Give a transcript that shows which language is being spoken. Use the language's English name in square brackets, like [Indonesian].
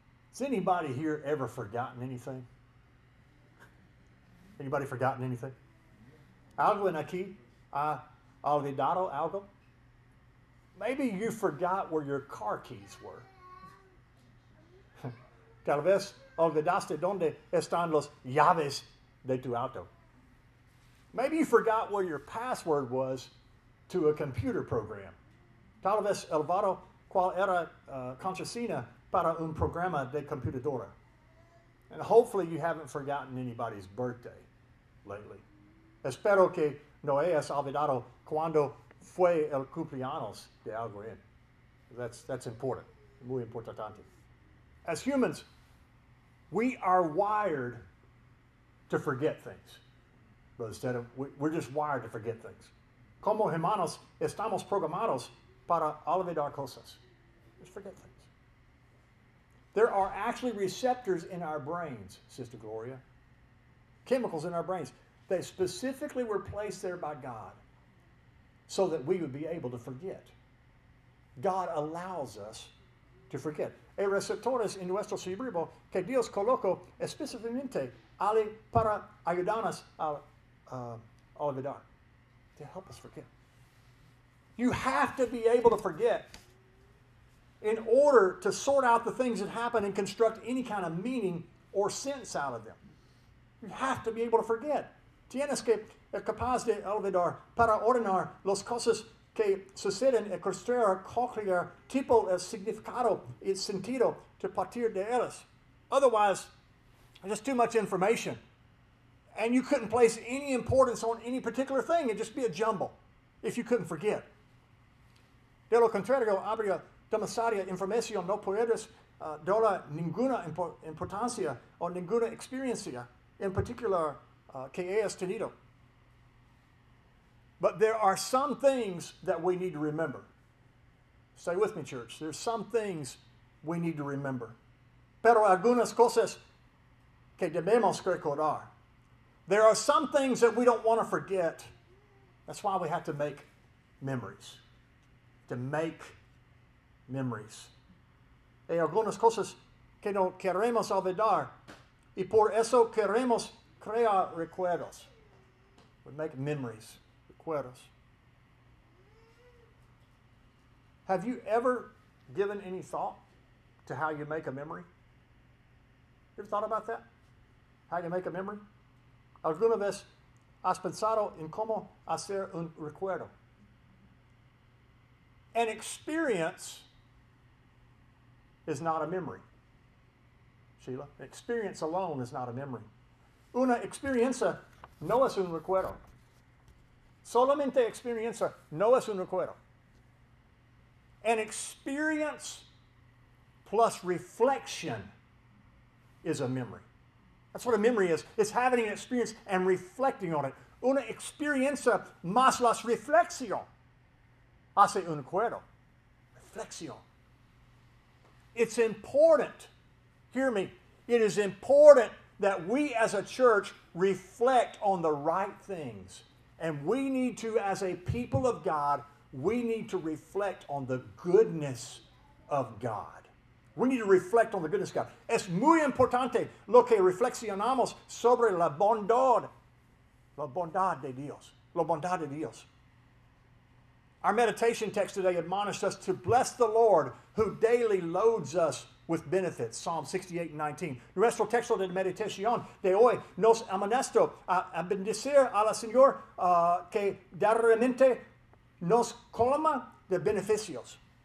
[English] Has anybody here ever forgotten anything? [Spanish] Anybody forgotten anything? Algo en aquí? Olvidado algo? [English] Maybe you forgot where your car keys were. [Spanish] Tal vez olvidaste dónde están las llaves de tu auto. [English] Maybe you forgot where your password was to a computer program. [Spanish] Tal vez olvidó cuál era contraseña para un programa de computadora. [English] And hopefully you haven't forgotten anybody's birthday lately. [Spanish] Espero que no hayas olvidado cuando fue el cumpleaños de alguien. [English] That's important. Muy importante. As humans, we are wired to forget things. But instead of, we're just wired to forget things. Como humanos, estamos programados para olvidar cosas. Just forget things. There are actually receptors in our brains, Sister Gloria. Chemicals in our brains. They specifically were placed there by God so that we would be able to forget. God allows us to forget. [Spanish] Hay receptores en nuestro cerebro que Dios colocó específicamente para ayudarnos a olvidar, to help us forget. [English] You have to be able to forget in order to sort out the things that happen and construct any kind of meaning or sense out of them. You have to be able to forget. [Spanish] Tienes que ser capaz de olvidar para ordenar las cosas que suceden y construir cualquier tipo de significado y sentido a partir de ellas. [English] Otherwise, just too much information. And you couldn't place any importance on any particular thing. It'd just be a jumble if you couldn't forget. [Spanish] De lo contrario, habría demasiada información. No puedes dar ninguna importancia o ninguna experiencia en particular. Que es tenido. [English] But there are some things that we need to remember. Stay with me, church. There's some things we need to remember. Pero algunas cosas que debemos recordar. There are some things that we don't want to forget. That's why we have to make memories. To make memories. [Spanish] Hay algunas cosas que no queremos olvidar. Y por eso queremos crear recuerdos. We make memories. Recuerdos. [English] Have you ever given any thought to how you make a memory? You ever thought about that? How you make a memory? [Spanish] ¿Alguna vez has pensado en cómo hacer un recuerdo? [English] An experience is not a memory. Sheila, experience alone is not a memory. Una experiencia no es un recuerdo. Solamente experiencia no es un recuerdo. An experience plus reflection is a memory. That's what a memory is. It's having an experience and reflecting on it. [Spanish] Una experiencia más la reflexión hace un recuerdo. [English] Reflexión. It's important. Hear me. It is important that we as a church reflect on the right things. And we need to, as a people of God, we need to reflect on the goodness of God. We need to reflect on the goodness of God. [Spanish] Es muy importante lo que reflexionamos sobre la bondad de Dios. [English] Our meditation text today admonished us to bless the Lord who daily loads us with benefits, Psalm 68:19. [Spanish] Nuestro texto de meditación de hoy nos amonesto a bendecir a la Señor que realmente nos colma de beneficios.